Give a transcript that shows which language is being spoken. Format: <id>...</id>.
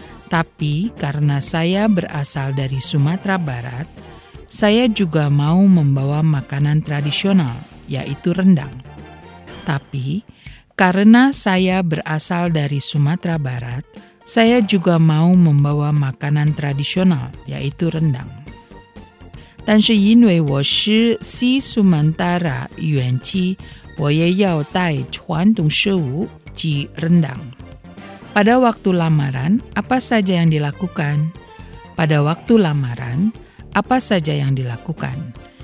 <id>Tapi karena saya berasal dari Sumatera Barat, saya juga mau membawa makanan tradisional, yaitu rendang. Tapi karena saya berasal dari Sumatera Barat, saya juga mau membawa makanan tradisional, yaitu rendang.</id> <zh>但是因为我是西苏曼达拉原籍。我也要带传统食物及 rendang。</zh> <id>Pada waktu lamaran, apa saja yang dilakukan? Pada waktu lamaran, apa saja yang dilakukan?</id>